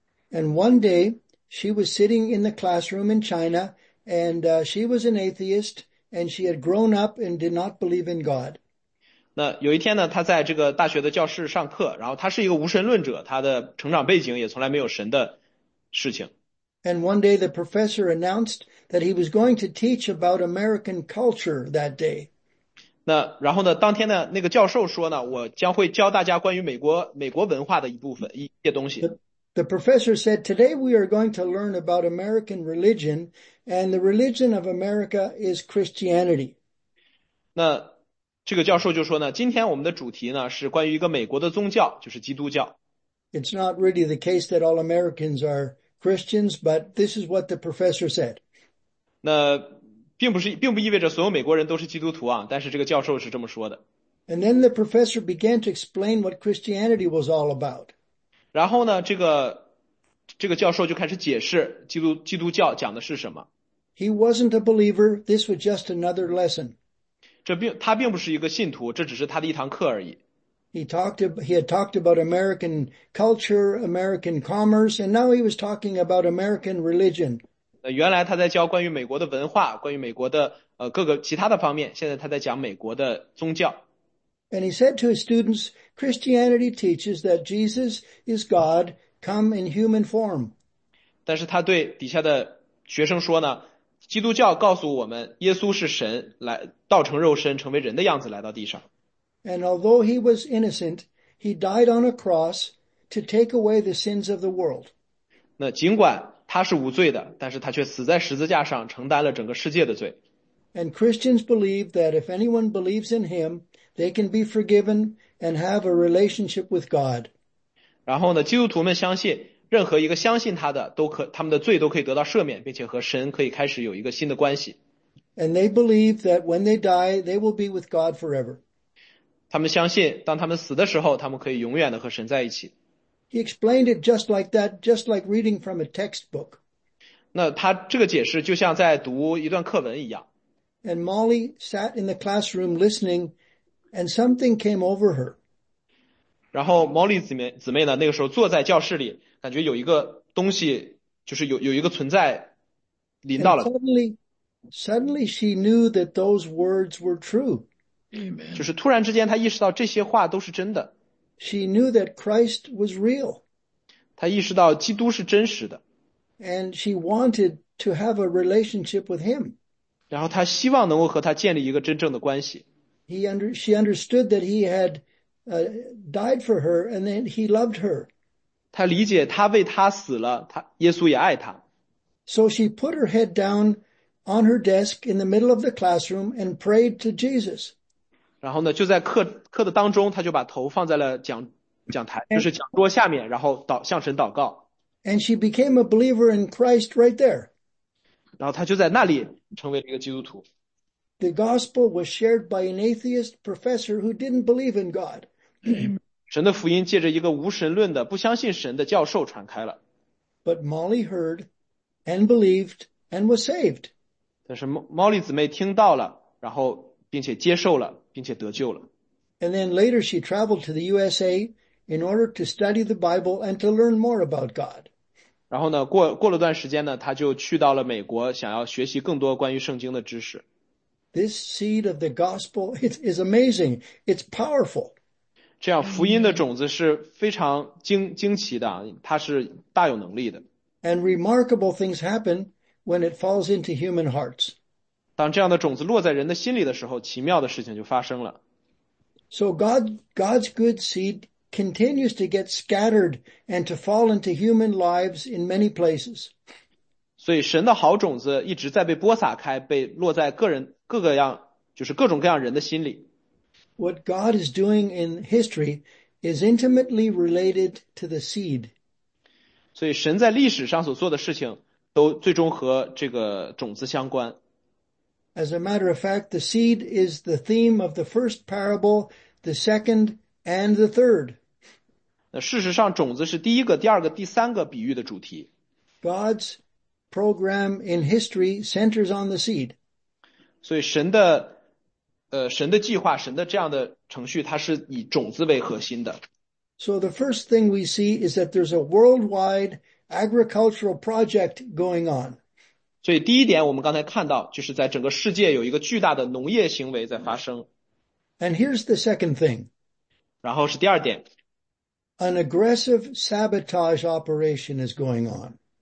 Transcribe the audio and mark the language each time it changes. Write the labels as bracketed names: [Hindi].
[English] And one day, she was sitting in the classroom in China, and she was an atheist, and she had grown up and did not believe in God. [Chinese] 那有一天呢，他在这个大学的教室上课，然后他是一个无神论者，他的成长背景也从来没有神的事情。 [English] And one day the professor announced that he was going to teach about American culture that day. [Chinese] 那然后呢，当天呢，那个教授说呢，我将会教大家关于美国文化的一些东西。 [English] The professor said, today we are going to learn about American religion, and the religion of America is Christianity. [Chinese] 那这个教授就说呢，今天我们的主题呢是关于一个美国的宗教，就是基督教。 [English] It's not really the case that all Americans are Christians, but this is what the professor said. [Chinese] 那并不意味着所有美国人都是基督徒啊，但是这个教授是这么说的。 [English] And then the professor began to explain what Christianity was all about. [Chinese] 然后呢，这个教授就开始解释基督教讲的是什么。 [English] He wasn't a believer. This was just another lesson. [Chinese] 他并不是一个信徒，这只是他的一堂课而已。 [English] He had talked about American culture, American commerce, and now he was talking about American religion. [Chinese] 原来他在教关于美国的文化，关于美国的各个其他的方面，现在他在讲美国的宗教。 [English] And he said to his students, Christianity teaches that Jesus is God come in human form. [Chinese] 但是他对底下的学生说呢，基督教告诉我们耶稣是神来道成肉身成为人的样子来到地上。 [English] And although he was innocent, he died on a cross to take away the sins of the world. [Chinese] 那尽管他是无罪的，但是他却死在十字架上承担了整个世界的罪。 [English] And Christians believe that if anyone believes in him, they can be forgiven and have a relationship with God. [Chinese] 然后呢，基督徒们相信任何一个相信他的他们的罪都可以得到赦免，并且和神可以开始有一个新的关系。 [English] And they believe that when they die, they will be with God forever. [Chinese] 他们相信当他们死的时候，他们可以永远的和神在一起。 [English] He explained it just like that, just like reading from a textbook. [Chinese] 那他这个解释就像在读一段课文一样。 [English] And Molly sat in the classroom listening, and something came over her. [Chinese] 然后 Molly 姊妹呢，那个时候坐在教室里，感觉有一个东西，就是有一个存在临到了。 [English] Suddenly she knew that those words were true. Amen. [Chinese] 就是突然之间她意识到这些话都是真的。 [English] She knew that Christ was real. [Chinese] 她意识到基督是真实的。 [English] And she wanted to have a relationship with him. [Chinese] 然后她希望能够和他建立一个真正的关系。 [English] She understood that he had died for her and that he loved her. [Chinese] 他理解他为他死了，他耶稣也爱他。 [English] So she put her head down on her desk in the middle of the classroom and prayed to Jesus. [Chinese] 然后呢，就在课的当中，他就把头放在了讲台，就是讲桌下面，然后向神祷告。 [English] And she became a believer in Christ right there. [Chinese] 然后他就在那里成为了一个基督徒。 [English] The gospel was shared by an atheist professor who didn't believe in God. [Chinese] 神的福音借着一个无神论的不相信神的教授传开了。 [English] But Molly heard and believed and was saved. [Chinese] 但是 Molly 姊妹听到了，然后并且接受了，并且得救了。 [English] And then later she traveled to the USA in order to study the Bible and to learn more about God. [Chinese] 然后呢，过了段时间呢，他就去到了美国，想要学习更多关于圣经的知识。 [English] This seed of the gospel is amazing. It's powerful. [Chinese] 这样福音的种子是非常惊奇的，它是大有能力的。 [English] And remarkable things happen when it falls into human hearts. [Chinese] 当这样的种子落在人的心里的时候，奇妙的事情就发生了。 [English] So God's good seed continues to get scattered and to fall into human lives in many places. [Chinese] 所以，神的好种子一直在被播撒开，被落在个人各个样，就是各种各样人的心里。 [English] What God is doing in history is intimately related to the seed. [Chinese] 所以，神在历史上所做的事情，都最终和这个种子相关。 [English] As a matter of fact, the seed is the theme of the first parable, the second, and the third. [Chinese] 那事实上，种子是第一个、第二个、第三个比喻的主题。 [English] God's program in history centers on the seed. [Chinese] 所以神的计划，神的这样的程序，它是以种子为核心的。 [English] So the first thing we see is that there's a worldwide agricultural project going on. [Chinese] 所以第一点，我们刚才看到，就是在整个世界有一个巨大的农业行为在发生。 [English] And here's the second thing. [Chinese] 然后是第二点。 [English] An aggressive sabotage operation is going on.